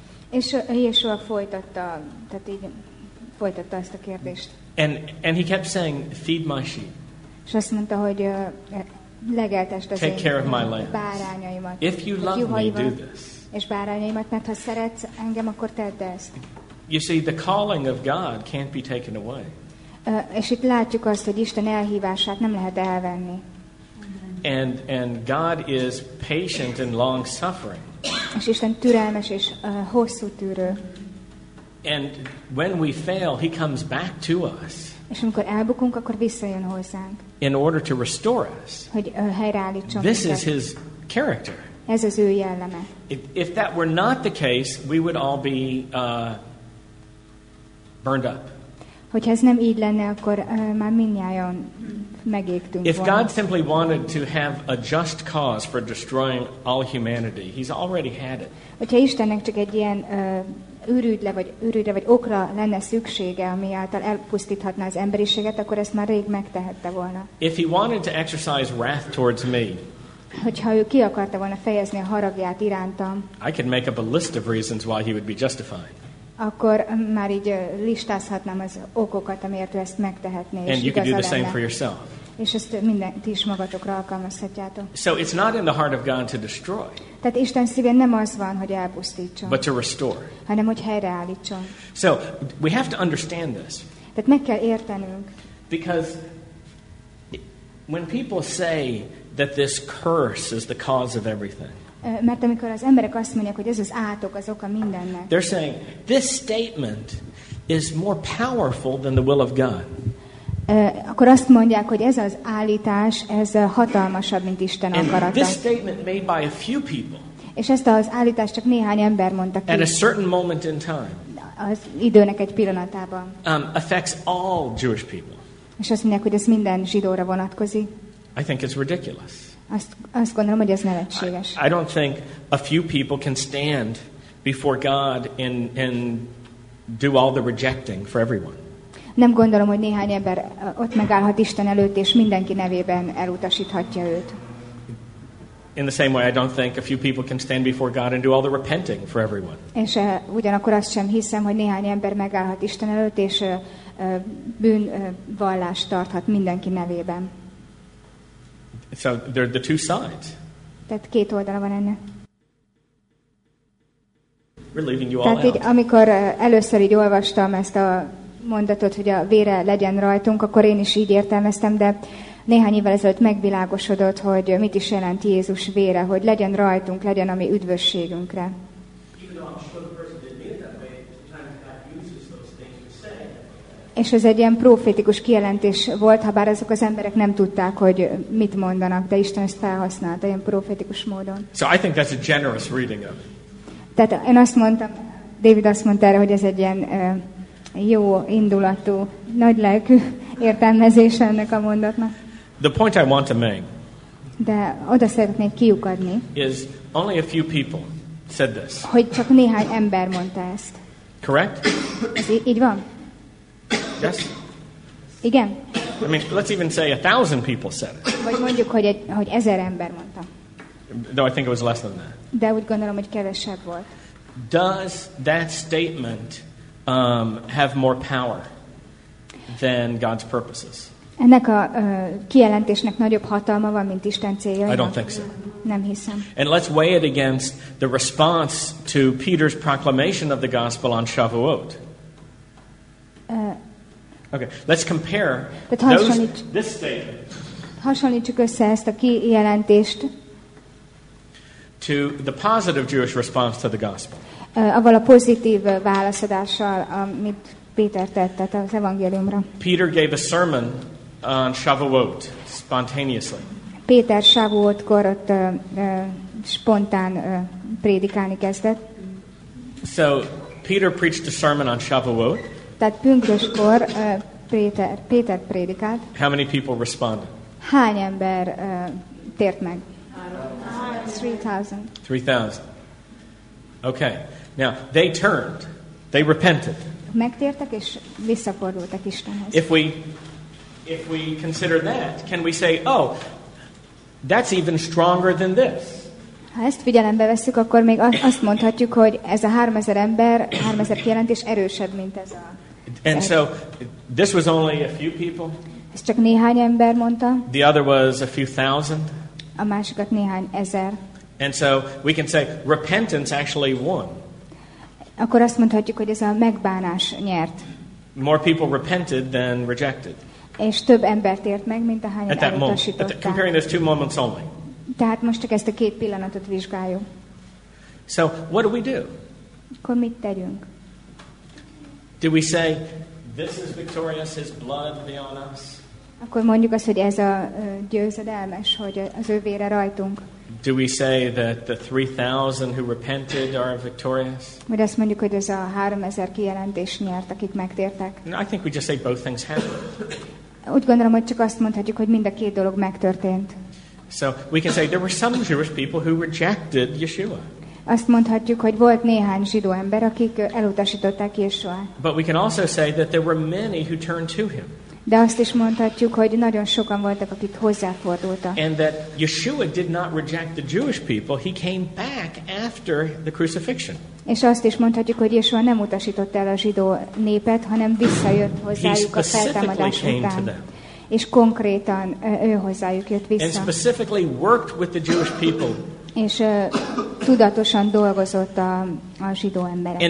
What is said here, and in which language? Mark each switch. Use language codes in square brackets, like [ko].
[hu] És Yeshua folytatta, tehát így folytatta ezt a kérdést. [en] And he kept saying, "Feed my sheep." [hu] És azt mondta, hogy legeltest az [en] Take care [hu] én [en] of my lambs. [hu] Bárányaimat. [en] If you love me, do this. [hu] És bárányaimat, mert ha szeretsz engem, akkor tedd ezt. [en] You see, the calling of God can't be taken away. [hu] És itt látjuk azt, hogy Isten elhívását nem lehet elvenni. [en] And God is patient and long suffering. [hu] És Isten türelmes és hosszú tűrő. [en] And when we fail, he comes back to us. [hu] És amikor elbukunk, akkor visszajön hozzánk. [en] In order to restore us. [hu] Hogy helyreállítson. [en] This is his character. [hu] Ez az ő jelleme. [en] If that were not the case, we would all be burned up. [hu] Hogyha ez nem így lenne, akkor már mindnyájan megégtünk volna. [en] If God simply wanted to have a just cause for destroying all humanity, he's already had it. [hu] Hogyha Istennek csak egy ilyen űrügyre vagy okra lenne szüksége, ami által elpusztíthatná az emberiséget, akkor ezt már rég megtehette volna. [en] If he wanted to exercise wrath towards me, [hu] hogyha ő ki akarta volna fejezni a haragját irántam, [en] I could make up a list of reasons why he would be justified. [hu] Akkor már így listázhatnám az okokat, amiért ő ezt megtehetné. [en] And you could do the same for yourself. [hu] És ezt mindent is magatokra alkalmazhatjátok. [en] So it's not in the heart of God to destroy. [hu] Tehát Isten szívén nem az van, hogy elpusztítson. [en] But to restore. [hu] Hanem hogy helyreállítson. [en] So we have to understand this. [hu] Tehát meg kell értenünk. [en] Because when people say that this curse is the cause of everything. [hu] Mert amikor az emberek azt mondják, hogy ez az átok, az oka mindennek. [en] They're saying this statement is more powerful than the will of God. [hu] Akkor azt mondják, hogy ez az állítás, ez hatalmasabb, mint Isten akarata. [en] This statement made by a few people. [hu] És ezt az állítást csak néhány ember mondta ki. [en] At a certain moment in time. [hu] Az időnek egy pillanatában. [en] Affects all Jewish people. [hu] És azt mondják, hogy ez minden zsidóra vonatkozik. [en] I think it's ridiculous. [hu] Azt gondolom, hogy ez nevetséges. [en] I don't think a few people can stand before God and do all the rejecting for everyone. [hu] Nem gondolom, hogy néhány ember ott megállhat Isten előtt, és mindenki nevében elutasíthatja őt. [en] In the same way, I don't think a few people can stand before God and do all the repenting for everyone. [hu] És ugyanakkor azt sem hiszem, hogy néhány ember megállhat Isten előtt, és bűnvallást tarthat mindenki nevében. [en] So they're the two sides. [hu] Tehát két oldala van ennek. [en] We're leaving you all [hu] tehát így, [en] out. [hu] Amikor először így olvastam ezt a mondatot, hogy a vére legyen rajtunk, akkor én is így értelmeztem, de néhány évvel ezelőtt megvilágosodott, hogy mit is jelent Jézus vére, hogy legyen rajtunk, legyen a mi üdvösségünkre. És ez egy ilyen profétikus kijelentés volt, ha bár azok az emberek nem tudták, hogy mit mondanak, de Isten ezt felhasználta ilyen profétikus módon. [en] So I think that's a generous reading of. [hu] Tehát én azt mondtam, David azt mondta erre, hogy ez egy ilyen jó indulatú, nagy lelkű értelmezés ennek a mondatnak. [en] The point I want to make. [hu] De oda szeretnék kiukadni. [en] Is only a few people said this. [hu] Hogy csak néhány ember mondta ezt. [en] Correct? [hu] Ez így van. [en] Yes. [hu] Igen. [en] I mean, let's even say 1,000 people said it. [hu] Vagy mondjuk, hogy 1,000 ember mondta. [en] No, I think it was less than that. [hu] De úgy gondolom, hogy kevesebb volt. [en] Does that statement have more power than God's purposes? [hu] Ennek a kijelentésnek nagyobb hatalma van, mint Isten célja. [en] I don't think so. [hu] Nem hiszem. [en] And let's weigh it against the response to Peter's proclamation of the gospel on Shavuot. Okay, let's compare this statement. [hu] Hasonlítsuk össze ezt a kijelentést. [en] To the positive Jewish response to the gospel. [hu] Avval a pozitív válaszadással, amit Péter tett az evangéliumra. [en] Peter gave a sermon on Shavuot spontaneously. [hu] Péter Shavuotkor ott spontán prédikálni kezdett. [en] So Peter preached a sermon on Shavuot. [hu] Tehát pünköskor Péter prédikált. [en] How many people responded? [hu] Hány ember tért meg? [en] 3,000. Okay. Now, they turned. They repented. [hu] Megtértek és visszafordultak Istenhez. [en] If we consider that, can we say, oh, that's even stronger than this? [hu] Ha ezt figyelembe veszük, akkor még azt mondhatjuk, hogy ez a 3000 ember, 3000 kijelentés erősebb, mint ez a. [en] And so this was only a few people. [hu] Ez csak néhány ember mondta. [en] The other was a few thousand. [hu] A másikat néhány ezer. [en] And so we can say repentance actually won. [hu] Akkor azt mondhatjuk, hogy ez a megbánás nyert. [en] More people repented than rejected. [hu] És több embert ért meg, mint ahányan elutasították. [en] Comparing those two moments only. [hu] Tehát most csak ezt a két pillanatot vizsgáljuk. [en] So what do we do? [hu] Akkor mit tegyünk? [en] Do we say this is victorious, his blood be on us? [hu] Akkor mondjuk azt, hogy ez a győzedelmes, hogy az ő vére rajtunk. [en] Do we say that the 3,000 who repented are victorious? [hu] Vagy azt mondjuk, hogy ez a 3,000 kijelentés nyert, akik megtértek. [en] No, I think we just say both things happened. [hu] Úgy gondolom, hogy csak azt mondhatjuk, hogy mind a két dolog megtörtént. [en] So we can say there were some Jewish people who rejected Yeshua. [hu] Azt mondhatjuk, hogy volt néhány zsidó ember, akik elutasították Jézust. [en] But we can also say that there were many who turned to him. [hu] De azt is mondhatjuk, hogy nagyon sokan voltak, akik hozzáfordultak. [en] And that Yeshua did not reject the Jewish people, he came back after the crucifixion. [hu] És azt is mondhatjuk, hogy Yeshua nem utasította el a zsidó népet, hanem visszajött hozzájuk a feltámadás után. És konkrétan ő hozzájuk jött vissza. [en] And specifically worked with the Jewish people. [hu] És tudatosan dolgozott a zsidó emberekkel.